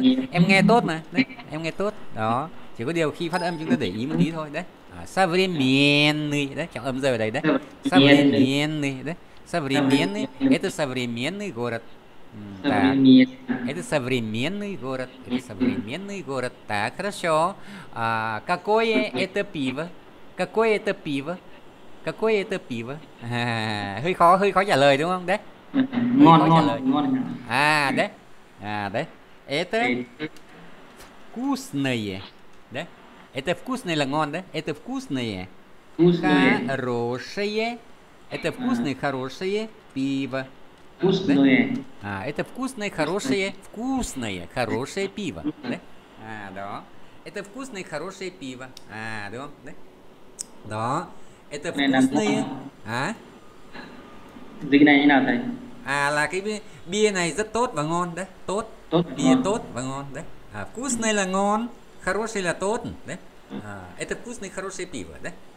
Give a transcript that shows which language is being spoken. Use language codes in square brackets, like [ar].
[vi] Em nghe tốt mà, đấy, em nghe tốt. Đó, chỉ có điều khi phát âm chúng ta để ý một tí thôi, đấy. Современный, đấy, trọng âm rơi vào đây đấy. Современный, đấy. [ru] Современный, это современный город. Так. Это современный город. Это современный город. Так, хорошо. Какое это пиво? Какое это пиво? Какое это пиво? [vi] Hơi khó trả lời đúng không? Đấy. Hơi ngon khó trả ngon lời. Ngon. À đấy. À đấy. [ru] Это вкусное. [vi] Đấy. [ru] Это вкусное [vi] là ngon đấy. [ru] Это вкусное. Хорошее. Это вкусное хорошее пиво. Вкусное. А, это вкусное хорошее вкусное хорошее пиво. Да? А, да. Это вкусное хорошее пиво. А, да. Да. Да. Это вкусное. А? Дигнай на тай. [vi] А, là cái bia này rất tốt và ngon đấy. Tốt. Tốt. Bia tốt và ngon đấy. À, вкусное là ngon, хорошее là tốt, đấy. [ru] À, это вкусное хорошее пиво, đấy.